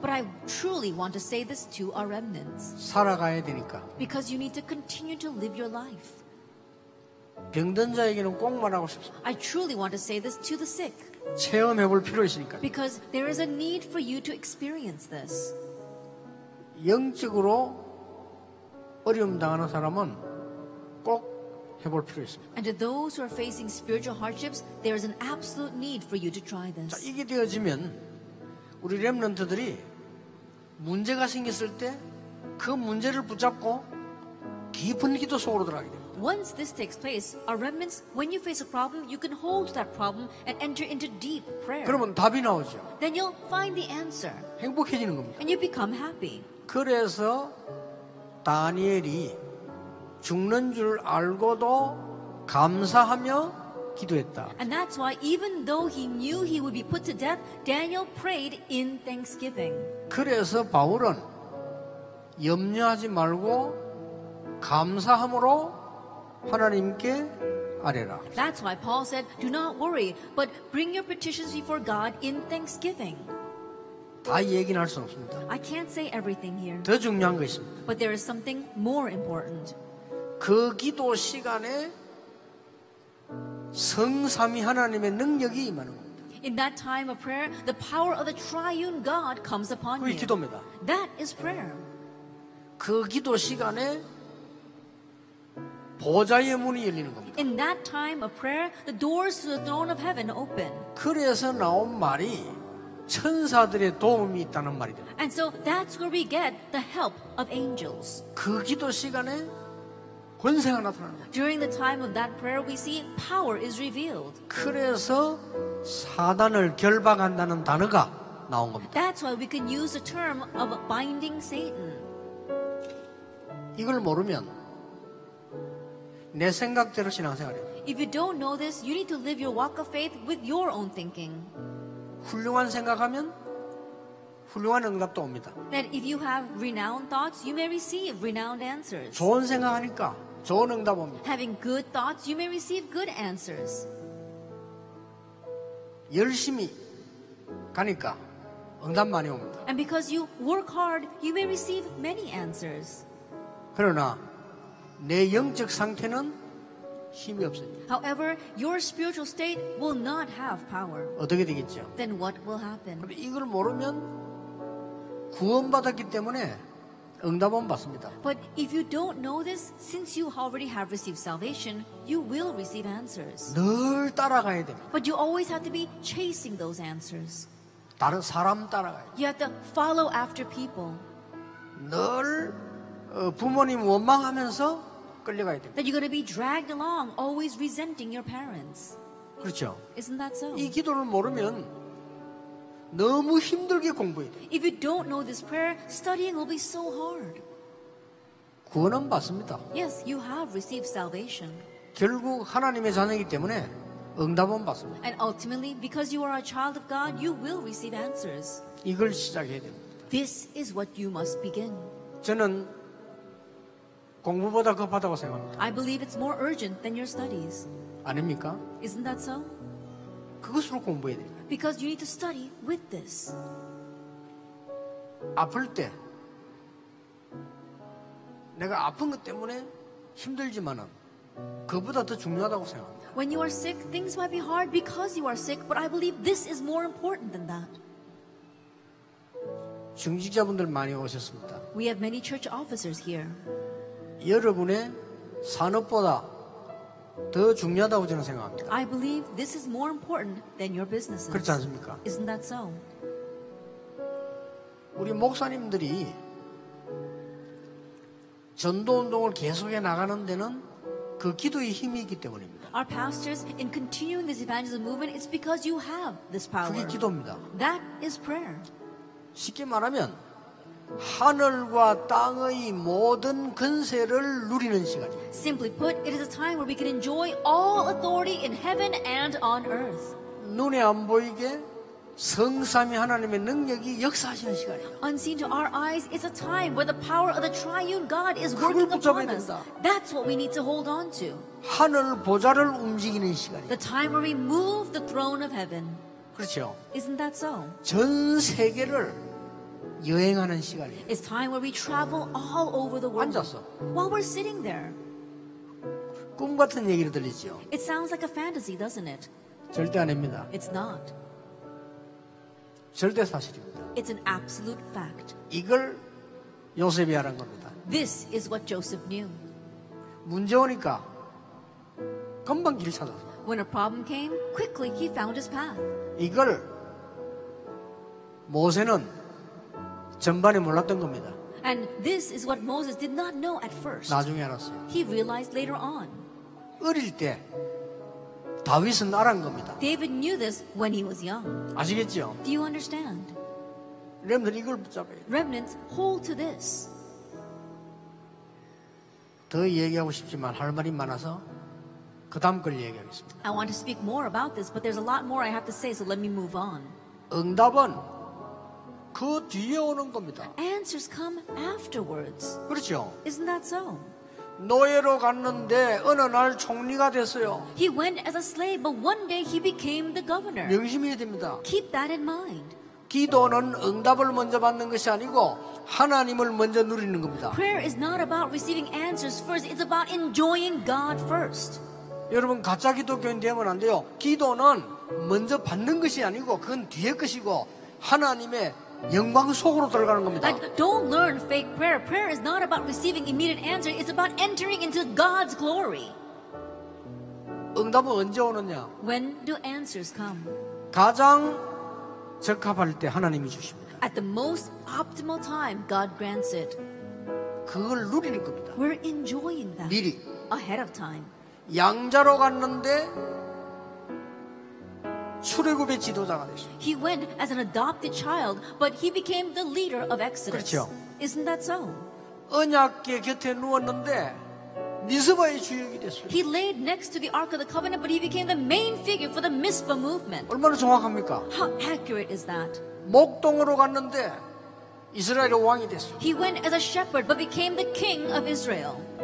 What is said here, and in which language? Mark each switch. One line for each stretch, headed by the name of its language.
English: But I truly want to say this to our remnants.
Korean: 살아가야 되니까.
English: Because you need to continue to live your life.
Korean: 병든 자에게는 꼭 말하고 싶습니다.
English: I truly want to say this to the sick.
Korean: 체험해 볼 필요 있으니까.
English: Because there is a need for you to experience this.
Korean: 영적으로 어려움 당하는 사람은 꼭 해볼 필요 있습니다.
English: And to those who are facing spiritual hardships, there is an absolute need for you to try this.
Korean: 자, 이게 되어지면 우리 렘넌트들이 문제가 생겼을 때 그 문제를 붙잡고 깊은 기도 속으로 들어가게 됩니다.
English: Once this takes place, our remnants, when you face a problem, you can hold that problem and enter into deep prayer.
Korean: 그러면 답이 나오죠.
English: Then you'll find the answer.
Korean: 행복해지는 겁니다.
English: And you become happy.
Korean: 그래서 다니엘이 죽는 줄 알고도 감사하며 기도했다.
English: And that's why even though he knew he would be put to death, Daniel prayed in thanksgiving.
Korean: 그래서 바울은 염려하지 말고 감사함으로 하나님께 아뢰라.
English: That's why Paul said, "Do not worry, but bring your petitions before God in thanksgiving."
Korean: 다 얘기는 할 수 없습니다.
English: I can't say everything here.
Korean: 더 중요한 거 있습니다.
English: But there is something more important.
Korean: 그 기도 시간에 성삼위 하나님의 능력이 임하는 겁니다.
English: In that time of prayer, the power of the triune God comes upon you.
Korean: 그 기도입니다.
English: That is prayer.
Korean: 그 기도 시간에 보좌의 문이 열리는 겁니다.
English: In that time of prayer, the doors to the throne of heaven open.
Korean: 그래서 나온 말이 천사들의 도움이 있다는 말이 됩니다.
English: And so that's where we get the help of angels.
Korean: 그 기도 시간에 권세가 나타나는 겁니다.
English: During the time of that prayer, we see power is revealed.
Korean: 그래서 사단을 결박한다는 단어가 나온 겁니다.
English: That's why we can use the term of binding Satan.
Korean: 이걸 모르면 내 생각대로 신앙생활해.
English: If you don't know this, you need to live your walk of faith with your own thinking.
Korean: 훌륭한 생각하면 훌륭한 응답도 옵니다.
English: That if you have renowned thoughts, you may receive renowned answers.
Korean: 좋은 생각하니까 좋은 응답 옵니다.
English: Having good thoughts, you may receive good answers.
Korean: 열심히 가니까 응답 많이 옵니다.
English: And because you work hard, you may receive many answers.
Korean: 그러나 내 영적 상태는 힘이 없어요.
English: However, your spiritual state will not have power.
Korean: 어떻게 되겠죠?
English: Then what will happen?
Korean: 이걸 모르면 구원받았기 때문에 응답은 받습니다.
English: But if you don't know this, since you already have received salvation, you will receive answers.
Korean: 늘 따라가야 됩니다.
English: But you always have to be chasing those answers.
Korean: 다른 사람 따라가야 돼요.
English: You have to follow after people.
Korean: 늘 부모님 원망하면서 끌려가야 됩니다.
English: That you're going to be dragged along, always resenting your parents.
Korean: 그렇죠.
English: Isn't that so?
Korean: 이 기도를 모르면 너무 힘들게 공부해야 돼.
English: If you don't know this prayer, studying will be so hard.
Korean: 구원은 받습니다.
English: Yes, you have received salvation.
Korean: 결국 하나님의 자녀이기 때문에 응답은 받습니다.
English: And ultimately, because you are a child of God, you will receive answers.
Korean: 이걸 시작해야 됩니다.
English: This is what you must begin.
Korean: 저는 공부보다 급하다고 생각합니다.
English: I believe it's more urgent than your studies.
Korean: 아닙니까?
English: Isn't that so?
Korean: 그것으로 공부해야 됩니다.
English: Because you need to study with this.
Korean: 아플 때 내가 아픈 것 때문에 힘들지만은 그보다 더 중요하다고 생각합니다.
English: When you are sick, things might be hard because you are sick, but I believe this is more important than that.
Korean: 중직자분들 많이 오셨습니다.
English: We have many church officers here.
Korean: 여러분의 산업보다 더 중요하다고 저는 생각합니다.
English: I believe this is more important than your businesses.
Korean: 그렇지 않습니까?
English: Isn't that so?
Korean: 우리 목사님들이 전도 운동을 계속해 나가는 데는 그 기도의 힘이 있기 때문입니다.
English: Our pastors in continuing this evangelism movement, it's because you have this power.
Korean: 그게 기도입니다.
English: That is prayer.
Korean: 쉽게 말하면 하늘과 땅의 모든 권세를 누리는 시간이에요.
English: Simply put, it is a time where we can enjoy all authority in heaven and on earth.
Korean: 눈에 안 보이게 성삼위 하나님의 능력이 역사하시는 시간이에요.
English: Unseen to our eyes, it's a time where the power of the triune God is working upon us. That's what we need to hold on to.
Korean: 하늘 보좌를 움직이는 시간이에요.
English: The time where we move the throne of heaven.
Korean: 그렇죠.
English: Isn't that so?
Korean: 전 세계를 여행하는 시간이에요.
English: It's time where we travel all over the world.
Korean: 앉았어.
English: While we're sitting there.
Korean: 꿈 같은 얘기를 들리죠.
English: It sounds like a fantasy, doesn't it?
Korean: 절대 아닙니다.
English: It's not.
Korean: 절대 사실입니다.
English: It's an absolute fact.
Korean: 이걸 요셉이 알은 겁니다.
English: This is what Joseph knew.
Korean: 문제 오니까 금방 길 찾았어.
English: When a problem came, quickly he found his path.
Korean: 이걸 모세는 전반에 몰랐던 겁니다.
English: And this is what Moses did not know at first.
Korean: 나중에 알았어요.
English: He realized later on.
Korean: 어릴 때 다윗은 알았던 겁니다.
English: David knew this when he was young.
Korean: 아시겠죠?
English: Do you understand?
Korean: 렘넌트 이걸 붙잡아요.
English: Remnants hold to this.
Korean: 더 얘기하고 싶지만 할 말이 많아서 그 다음 걸 얘기하겠습니다.
English: I want to speak more about this, but there's a lot more I have to say, so let me move on.
Korean: 응답은 그 뒤에 오는 겁니다.
English: Answers come afterwards.
Korean: 그렇죠.
English: Isn't that so?
Korean: 노예로 갔는데 어느 날 총리가 됐어요.
English: He went as a slave, but one day he became the governor.
Korean: 명심해야 됩니다.
English: Keep that in mind.
Korean: 기도는 응답을 먼저 받는 것이 아니고 하나님을 먼저 누리는 겁니다.
English: Prayer is not about receiving answers first. It's about enjoying God first.
Korean: 여러분 가짜 기독교인 되면 안 돼요. 기도는 먼저 받는 것이 아니고 그건 뒤에 것이고 하나님의 영광 속으로 들어가는 겁니다.
English: Like, don't learn fake prayer. Prayer is not about receiving immediate answer. It's about entering into God's glory.
Korean: 응답은 언제 오느냐?
English: When do answers come?
Korean: 가장 적합할 때 하나님이 주십니다.
English: At the most optimal time, God grants it.
Korean: 그걸 누리는 겁니다.
English: We're enjoying that.
Korean: 미리.
English: Ahead of time.
Korean: 양자로 갔는데 출애굽의 지도자가 되셨어요.
English: He went as an adopted child, but he became the leader of Exodus.
Korean: 그렇죠.
English: Isn't that so?
Korean: 언약궤 곁에 누웠는데 미스바의 주역이 됐어요.
English: He laid next to the Ark of the Covenant, but he became the main figure for the Mizpah movement.
Korean: 얼마나 정확합니까?
English: How accurate is that?
Korean: 목동으로 갔는데 이스라엘의 왕이 됐어요.
English: He went as a shepherd, but became the king of Israel.